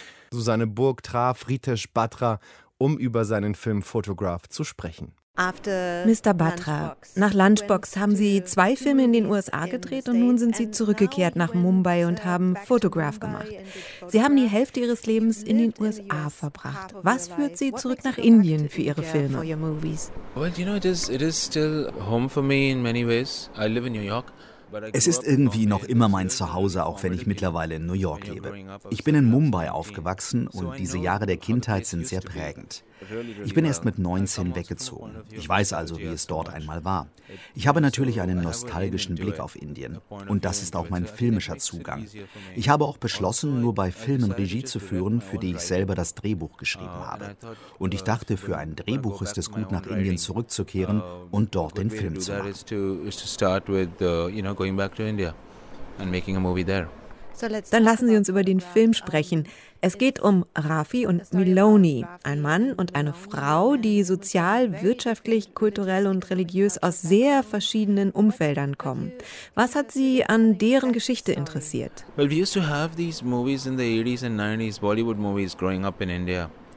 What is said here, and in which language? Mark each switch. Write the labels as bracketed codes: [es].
[de] Susanne Burg traf Ritesh Batra, um über seinen Film Photograph zu sprechen. Mr. Batra, nach Lunchbox haben Sie 2 Filme in den USA gedreht und nun sind Sie zurückgekehrt nach Mumbai und haben Photograph gemacht. Sie haben die Hälfte Ihres Lebens in den USA verbracht. Was führt Sie zurück nach Indien für Ihre Filme? [en] Well, you know, it is still home for me in many ways. I live in New York. [de] Es ist irgendwie noch immer mein Zuhause, auch wenn ich mittlerweile in New York lebe. Ich bin in Mumbai aufgewachsen und diese Jahre der Kindheit sind sehr prägend. Ich bin erst mit 19 weggezogen. Ich weiß also, wie es dort einmal war. Ich habe natürlich einen nostalgischen Blick auf Indien und das ist auch mein filmischer Zugang. Ich habe auch beschlossen, nur bei Filmen Regie zu führen, für die ich selber das Drehbuch geschrieben habe. Und ich dachte, für ein Drehbuch ist es gut, nach Indien zurückzukehren und dort den Film zu machen. [en] Going back to India and making a movie there. [de] Dann lassen Sie uns über den Film sprechen. Es geht um Rafi und Meloni, ein Mann und eine Frau, die sozial, wirtschaftlich, kulturell und religiös aus sehr verschiedenen Umfeldern kommen. Was hat Sie an deren Geschichte interessiert? [en] Well, we used to have these movies in the 80s and 90s, Bollywood movies growing up in India.